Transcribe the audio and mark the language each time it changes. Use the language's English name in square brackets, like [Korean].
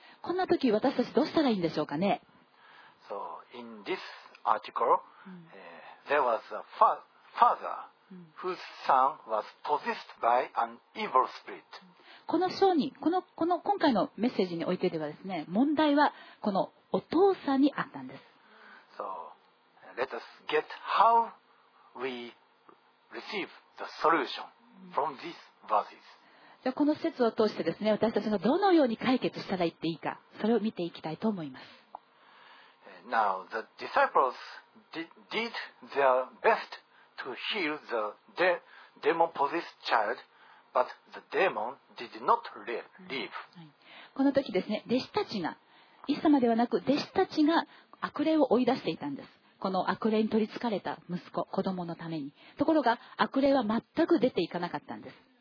[Japanese] こんな時私たちどうしたらいいんでしょうかね。 [English] So in this article, there was a father whose son was possessed by an evil spirit. [Japanese] この章に、この今回のメッセージにおいてではですね、問題はこのお父さんにあったんです。 [English] So, let us get how we receive the solution from these verses. [Japanese] じゃあこの説を通してですね、私たちがどのように解決したらいっていいか、それを見ていきたいと思います。 [English] Now, the disciples did their best to heal the demon-possessed child, but the demon did not leave. [Japanese] この時ですね、弟子たちが、イエス様ではなく弟子たちが、悪霊を追い出していたんです。この悪霊に取り憑かれた息子、子供のために。ところが悪霊は全く出ていかなかったんです。